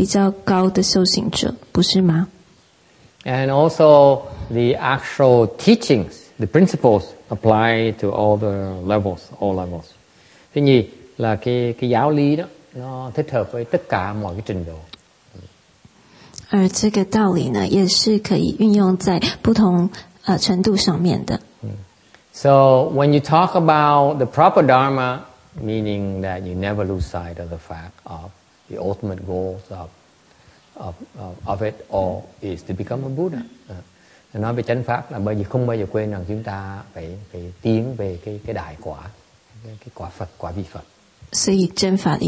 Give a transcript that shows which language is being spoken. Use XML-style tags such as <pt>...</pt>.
<zh>因为佛一旦这样说的话，就会如果只是给一般人的话，那就会排除这个比较高的修行者，不是吗？</zh> <en>And also the actual teachings, the principles apply to all the levels, all levels.</en> <vi>Thứ nhì là cái giáo lý đó nó thích hợp với tất cả mọi cái trình độ.</vi> <zh>而这个道理呢，也是可以运用在不同程度上面的。</zh> <en>So when you talk about the proper dharma, meaning that you never lose sight of the fact of the ultimate goals of it all is to become a Buddha.</en> <vi>Nói về chánh pháp là bởi vì không bao giờ quên rằng chúng ta phải tiến về cái đại quả, cái quả Phật, quả vị Phật.</vi>